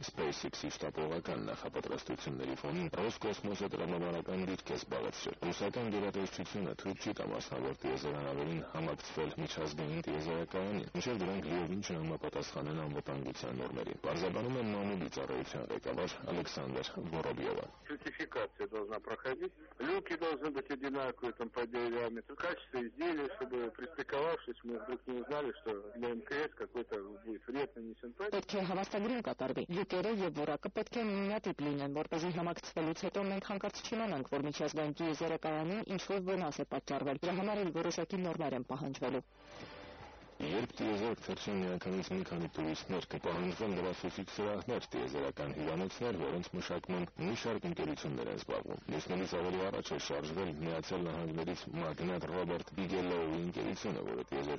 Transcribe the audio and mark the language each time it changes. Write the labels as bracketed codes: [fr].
[hy] SpaceX-ի շտապողական նախապատրաստությունների ֆոնին Ռոսկոսմոսը տրամաբանական դիրք է զբաղեցրել։ Ռուսական գերատեսչությունը թույլ չի տա մասնավոր տիեզերանավերին համակցվել միջազգային տիեզերակայանին, մինչև դրանք լիովին չհամապատասխանեն անվտանգության նորմերին, պարզաբանում են մամուլի ծառայության ղեկավար Ալեքսանդր Վորոբյովը։ [ru] Сертификация должна проходить. Люки должны быть одинаковые там по диаметру. Качество изделия, чтобы пристыковавшись, мы вдруг не узнали, что для МКС какой-то будет вред нанесен. [hy] Պետք է հավաստագրեն կատարվի։ Լյուկերը եւ որակը պետք է միատիպ լինեն, որպեսզի համակցվելուց հետո մենք հանկարծ չիմանանք, որ միջազգային տիեզերակայանը ինչ-որ վնաս է պատճառվել։ Դրա համար էլ որոշակի նորմեր են պահանջվելու։ Երբ տիեզերք թռչում միանգամից մի քանի տուրիստներ, կպահանջվեն լրացուցիչ սրահներ, տիեզերական հյուրանոցներ, որոնց մշակման մի շարք ընկերություններ են զբաղվում։ Լուսնելուց ավելի առաջ է շարժվել Միացյալ Նահանգներից մագնատ Ռոբերտ Բիգելլոուի ընկերությունը, որը տիեզերքում